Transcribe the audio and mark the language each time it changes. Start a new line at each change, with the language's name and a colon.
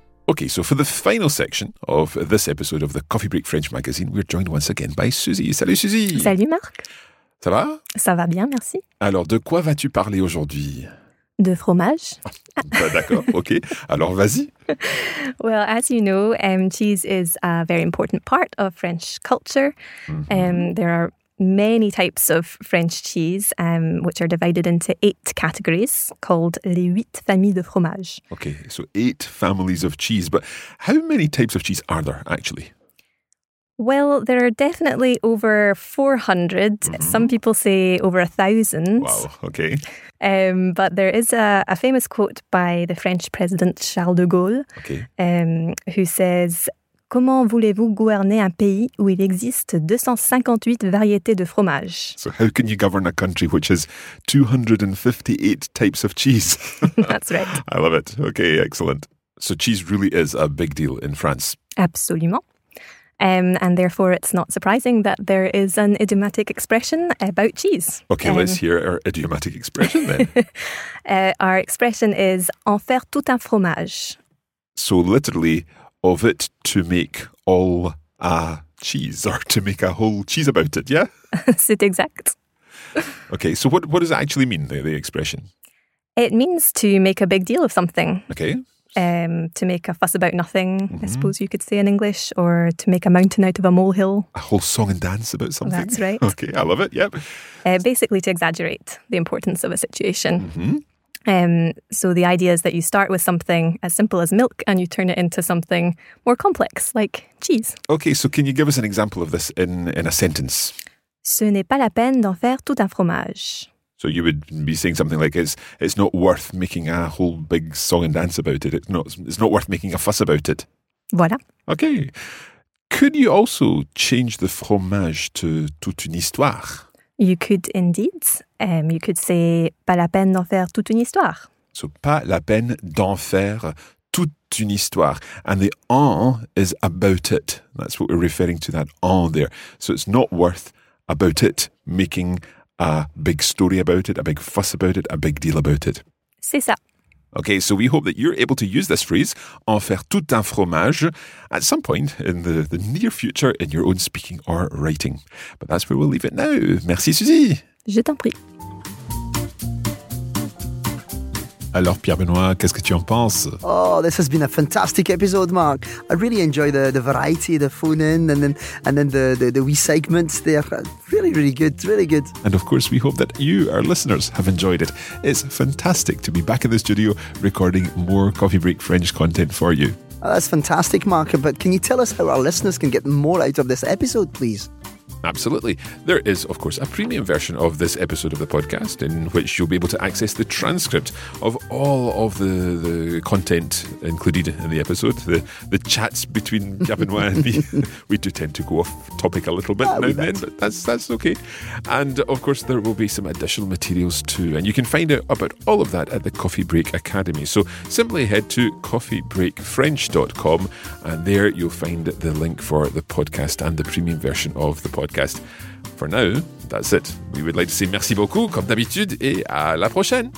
English: Okay, so for the final section of this episode of the Coffee Break French magazine, we're joined once again by Susie.
French: Salut Susie! Salut Marc! Ça va? Ça va bien, merci. Alors, de quoi vas-tu parler aujourd'hui? De fromage. Ah, bah, d'accord, ok. Alors, vas-y.
English: Well, as you know, cheese is a very important part of French culture. There are many types of French cheese, which are divided into 8 categories called
French: les 8 familles de fromage.
English: Okay, so 8 families of cheese. But how many types of cheese are there, actually? Well, there are definitely over 400. Mm-hmm. Some people say over 1,000. Wow, okay. But there is a famous quote by the French president Charles de Gaulle, who says,
French: comment voulez-vous gouverner un pays où il existe 258 variétés de fromage?
English: So how can you govern a country which has 258 types of cheese? That's right. I love it. Okay, excellent. So cheese really is a big deal in France.
French: Absolument.
English: And therefore, it's not surprising that there is an idiomatic expression about cheese. Okay, let's hear our idiomatic expression then. Our expression is
French: en faire tout un fromage.
English: So literally, of it to make all a cheese, or to make a whole cheese about it, yeah?
French: C'est exact.
English: Okay, so what does it actually mean, the expression? It means to make a big deal of something. Okay. To make a fuss about nothing, mm-hmm. I suppose you could say in English, or to make a mountain out of a molehill. A whole song and dance about something. That's right. Okay, I love it, yep. Basically to exaggerate the importance of a situation. Mm-hmm. So the idea is that you start with something as simple as milk and you turn it into something more complex, like cheese. Okay, so can you give us an example of this in a sentence?
French: Ce n'est pas la peine d'en faire tout un fromage.
English: So you would be saying something like, it's not worth making a whole big song and dance about it. It's not worth making a fuss about it.
French: Voilà.
English: Okay. Could you also change the fromage to
French: toute une histoire?
English: You could indeed. You could say,
French: pas la peine d'en faire toute une histoire. So, pas la peine d'en faire toute une histoire.
English: And the en is about it. That's what we're referring to, that en there. So, it's not worth about it, making a big story about it, a big fuss about it, a big deal about it.
French: C'est ça.
English: Okay, so we hope that you're able to use this phrase,
French: en faire tout un fromage,
English: at some point in the near future in your own speaking or writing. But that's where we'll leave it now.
French: Merci, Susie. Je t'en prie. Alors, Pierre-Benoît, qu'est-ce que tu en penses?
English: Oh, this has been a fantastic episode, Marc. I really enjoy the variety, the phone-in, and then the wee segments there. Really, really good, really good. And of course, we hope that you, our listeners, have enjoyed it. It's fantastic to be back in the studio recording more Coffee Break French content for you. Oh, that's fantastic, Marc. But can you tell us how our listeners can get more out of this episode, please? Absolutely. There is, of course, a premium version of this episode of the podcast in which you'll be able to access the transcript of all of the content included in the episode, the chats between Pierre-Benoît and me. We do tend to go off topic a little bit now and then, but that's okay. And, of course, there will be some additional materials too. And you can find out about all of that at the Coffee Break Academy. So simply head to coffeebreakfrench.com and there you'll find the link for the podcast and the premium version of the podcast. For now, that's it. We would like to say
French: merci beaucoup, comme d'habitude, et à la prochaine.